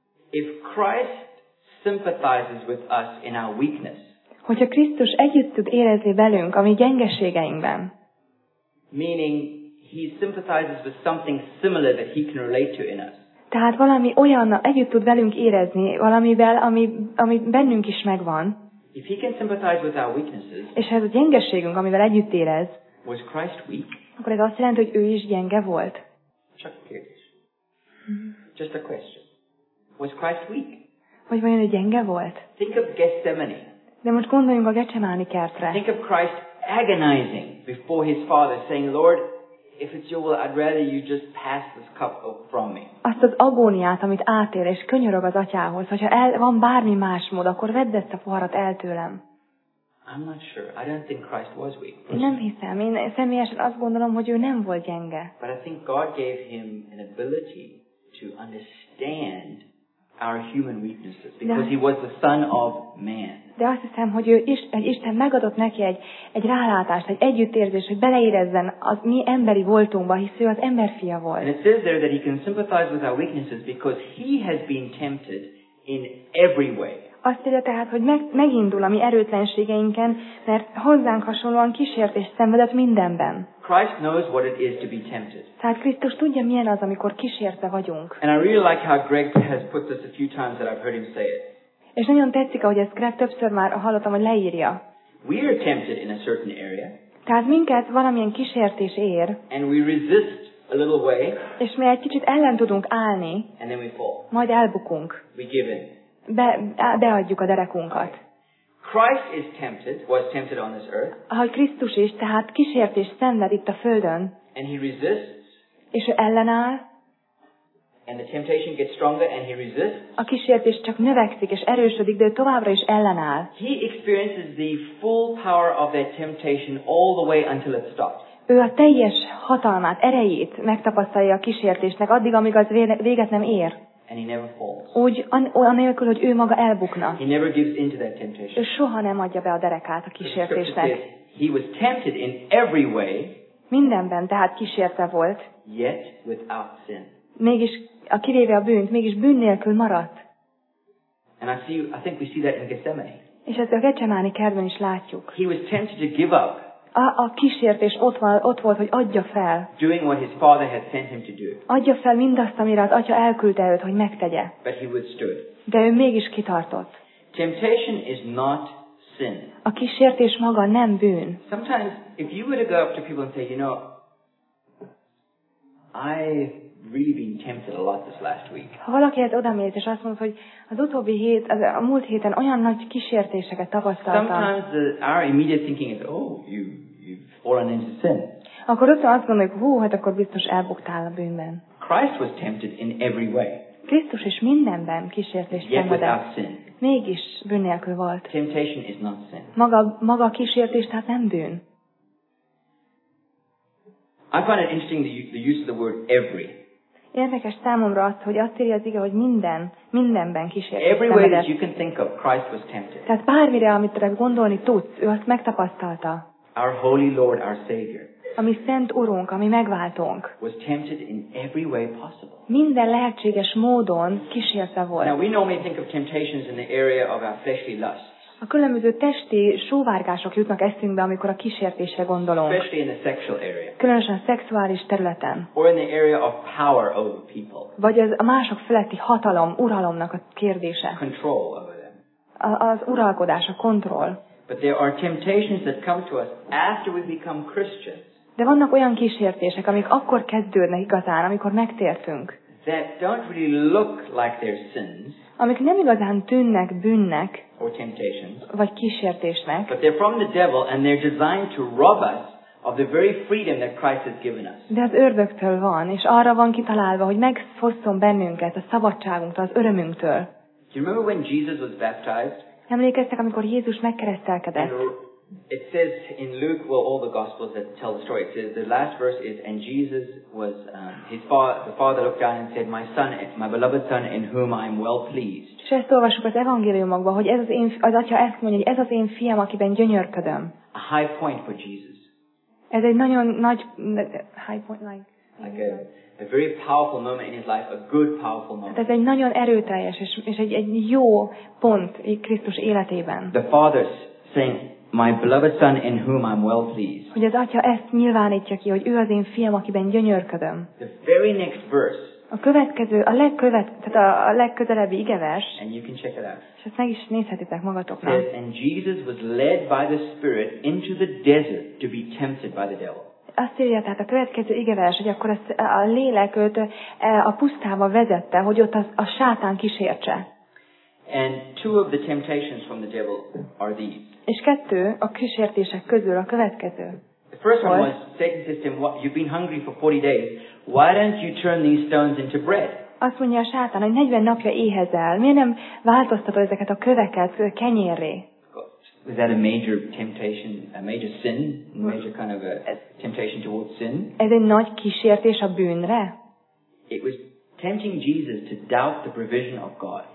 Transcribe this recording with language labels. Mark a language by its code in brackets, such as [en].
[en] If Christ sympathizes with us in our weakness, [hu] hogyha Krisztus együtt tud érezni velünk a mi gyengeségeinkben, [en] meaning he sympathizes with something similar that he can relate to in us. [hu] Tehát valami olyannal együtt tud velünk érezni, valamivel, ami bennünk is megvan. [en] If he can sympathize with our weaknesses. [hu] És ez a gyengeségünk, amivel együtt érez. [en] Was Christ weak? [hu] Akkor ez azt jelenti, hogy ő is gyenge volt. Csak kérdés. [en] Just a question. Was Christ weak? [hu] Hogy vajon ő gyenge volt? [en] Think of Gethsemane. [hu] De most gondoljunk a Getsemáni kertre. [en] Think of Christ agonizing before his father, saying, Lord, if it's your will, I'd rather you just pass this cup from me. [hu] Azt az agóniát, amit átél, és könyörög az atyához, hogyha van bármi más mód, akkor vedd ezt a poharat el tőlem. [en] I'm not sure. I don't think Christ was weak. [hu] Nem hiszem. Én személyesen azt gondolom, hogy ő nem volt gyenge. [en] But I think God gave him an ability to understand our human weaknesses, because he was the son of man. [hu] De azt hiszem, hogy Isten megadott neki egy rálátást, egy együttérzést, hogy beleérezzen az mi emberi voltunkba, hisz ő az emberfia volt. [en] And it says there that he can sympathize with our weaknesses because he has been tempted in every way. [hu] Azt írja tehát, hogy megindul a mi erőtlenségeinken, mert hozzánk hasonlóan kísértést szenvedett mindenben. [en] Christ knows what it is to be tempted. [hu] Tehát Krisztus tudja, milyen az, amikor kísértve vagyunk. [en] And I really like how Greg has put this a few times that I've heard him say it. [hu] És nagyon tetszik, ahogy ezt Greg többször már hallottam, hogy leírja. [en] We are tempted in a certain area. [hu] Tehát minket valamilyen kísértés ér. [en] And we resist a little way. [hu] És mi egy kicsit ellen tudunk állni. [en] And then we fall. [hu] Majd elbukunk. [en] We give in. [hu] Beadjuk a derekunkat. [en] Christ is tempted, was tempted on this earth. [hu] Ahogy Krisztus is, tehát kísértés szenved itt a Földön. [en] And he resists. [hu] És ő ellenáll. [en] And the temptation gets stronger and he resists. [hu] A kísértés csak növekszik és erősödik, de ő továbbra is ellenáll. [en] He experiences the full power of that temptation all the way until it stops. [hu] Ő a teljes hatalmát, erejét megtapasztalja a kísértésnek addig, amíg az véget nem ér. [en] And he never falls. [hu] Úgy anélkül, hogy ő maga elbukna. [en] He never gives into that temptation. [hu] Ő soha nem adja be a derekát a kísértésnek. [en] He was tempted in every way. [hu] Mindenben, tehát kísérte volt. [en] Yet without sin. [hu] Mégis a kivéve a bűnt, mégis bűn nélkül maradt. [en] And I think we see that in Gethsemane. [hu] És ezt a Getsemáni kertben is látjuk. [en] He was tempted to give up. [hu] A kísértés ott volt, hogy adja fel. [en] Doing what his father had sent him to do. [hu] Adja fel mindazt, amire az atya elküldte őt, hogy megtegye. [en] But he withstood. [hu] De ő mégis kitartott. [en] Temptation is not sin. [hu] A kísértés maga nem bűn. [en] Sometimes if you were to go up to people and say, you know, I really been tempted a lot this last week. [hu] Ha valaki ez odamért és azt mondta, hogy az utóbbi hét, az a múlt héten olyan nagy kísértéseket tapasztaltam. [en] Sometimes our immediate thinking is, oh, you've fallen into sin. [hu] Akkor rögtön azt mondjuk, hú, hát akkor biztos elbuktál a bűnben. [en] Christ was tempted in every way. [hu] Krisztus is mindenben kísértést szenvedett. Mégis bűn nélkül volt. [en] Temptation is not sin. [hu] Maga a kísértés, tehát nem bűn. [en] I find it interesting the use of the word every. [hu] Érdekes számomra az, hogy azt írja az ige, hogy minden, mindenben kísértést szenvedett. [en] Every way that you can think of, Christ was tempted. [hu] Tehát bármire, amit gondolni tudsz, ő azt megtapasztalta. [en] Our holy Lord, our Savior. [hu] Ami szent Urunk, ami megváltónk. [en] Was tempted in every way possible. [hu] Minden lehetséges módon kísérte volt. [en] Now we normally think of temptations in the area of our fleshly lusts. [hu] A különböző testi sóvárgások jutnak eszünkbe, amikor a kísértésre gondolunk. [en] Especially in the sexual area. [hu] Különösen a szexuális területen. [en] Or in the area of power over people. [hu] Vagy az a mások feletti hatalom, uralomnak a kérdése. [en] Control over them. [hu] Az uralkodás, a kontroll. [en] But there are temptations that come to us after we become Christians. [hu] De vannak olyan kísértések, amik akkor kezdődnek igazán, amikor megtértünk. [en] That don't really look like they're sins. [hu] Amik nem igazán tűnnek bűnnek. [en] Or temptations. [hu] Vagy kísértésnek. [en] But they're from the devil and they're designed to rob us of the very freedom that Christ has given us. [hu] De az ördögtől van, és arra van kitalálva, hogy megfosszon bennünket a szabadságunktól, az örömünktől. [en] Do you remember when Jesus was baptized? [hu] Emlékeztek, amikor Jézus megkeresztelkedett? [en] It says in Luke, well, all the gospels that tell the story. It says the last verse is, and Jesus was the father looked down and said, my son, my beloved son, in whom I am well pleased. [hu] És ezt olvassuk az evangéliumokban, hogy ez az én az atya ezt mondja, hogy ez az én fiam, akiben gyönyörködöm. [en] A high point for Jesus. [hu] Ez egy nagyon nagy [en] high point, like a very powerful moment in his life, a good powerful moment. [hu] Ez egy nagyon erőteljes és egy jó pont Krisztus életében. [en] The father saying, my beloved son in whom I'm well pleased. [hu] Hogy az atya ezt nyilvánítja ki, hogy ő az én fiam, akiben gyönyörködöm. [en] The very next verse. [hu] A következő, a legközelebbi igevers. [en] And you can check it out. [hu] És ezt meg is nézhetitek magatoknak. [en] Says, and Jesus was led by the Spirit into the desert to be tempted by the devil. [hu] Azt írja, tehát a következő igevers, hogy akkor ezt a lélek őt a pusztába vezette, hogy ott a sátán kísértse. [en] And two of the temptations from the devil are these. [hu] És kettő a kísértések közül a következő. [en] The first one was Satan says to him, you've been hungry for 40 days. Why don't you turn these stones into bread? [hu] Azt mondja a sátán, hogy 40 napja éhezel. Miért nem változtatod ezeket a köveket kenyérré? [en] Is that a major temptation, a major sin, major kind of a temptation towards sin? [hu] Ez egy nagy kísértés a bűnre. [en] It was tempting Jesus to doubt the provision of God.